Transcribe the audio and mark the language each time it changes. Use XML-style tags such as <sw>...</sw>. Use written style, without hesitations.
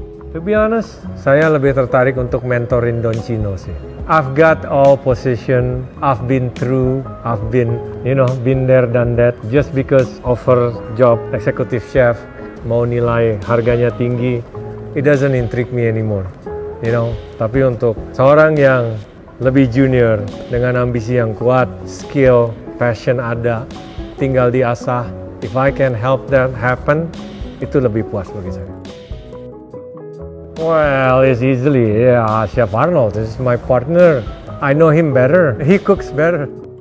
<id>To be honest, saya lebih tertarik untuk mentorin Don Chino sih.</id> <en>I've got all position, I've been through, I've been, you know, been there, done that. Just because offer job executive chef,</en> <id>mau nilai harganya tinggi,</id> <en>it doesn't intrigue me anymore, you know.</en> <id>Tapi untuk seorang yang lebih junior, dengan ambisi yang kuat, skill, passion ada, tinggal diasah,</id> <en>if I can help that happen,</en> <id>itu lebih puas bagi saya.</id> <en>Well, it's easily, yeah, Chef Arnold, this is my partner. I know him better, he cooks better.</en>